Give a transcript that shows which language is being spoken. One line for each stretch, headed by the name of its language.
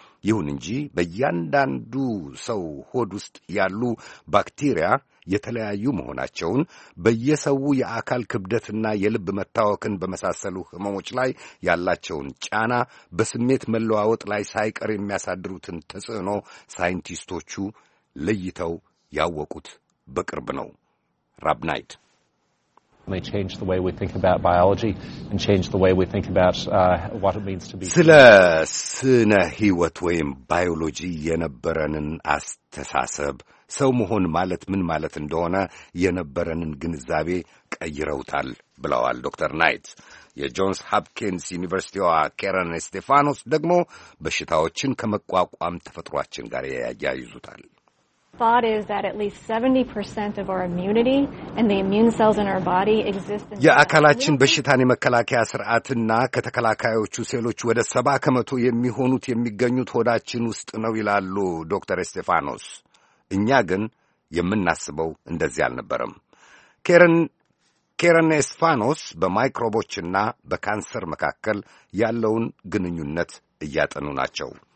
Amharic: ይሁን እንጂ በእያንዳንዱ ሰው ሆድ ውስጥ ያሉ ባክቴሪያ የተለያዩ መሆናቸውን፣ በየሰው የአካል ክብደትና የልብ መታወክን በመሳሰሉ ህመሞች ላይ ያላቸውን ጫና፣ በስሜት መለዋወጥ ላይ ሳይቀር የሚያሳድሩትን ተጽዕኖ ሳይንቲስቶቹ ለይተው ያወቁት በቅርብ ነው። ራብናይት
English: may change the way we think about biology and change the way we think about what it means to be
Amharic: ስለ ስነ ህይወት ወይም ባዮሎጂ የነበረንን አስተሳሰብ፣ ሰው መሆን ማለት ምን ማለት እንደሆነ የነበረንን ግንዛቤ ቀይረውታል ብለዋል ዶክተር ናይት። የጆንስ ሃፕኪንስ ዩኒቨርሲቲዋ ካረን ስቴፋኖስ ደግሞ በሽታዎችን ከመቋቋም ተፈጥሯችን ጋር ያያይዙታል።
English: Thought is that at least 70% of our immunity and the immune cells in our body exist in
Amharic: የአካላችን በሽታን የመከላከያ ስርዓትና ከተከላካዮቹ ሴሎች ወደ 70 ከመቶ የሚሆኑት የሚገኙት ሆዳችን ውስጥ ነው ይላሉ ዶክተር ስቴፋኖስ። እኛ ግን የምናስበው እንደዚህ አልነበረም። ካረን ስቴፋኖስ በማይክሮቦችና በካንሰር መካከል ያለውን ግንኙነት እያጠኑ ናቸው።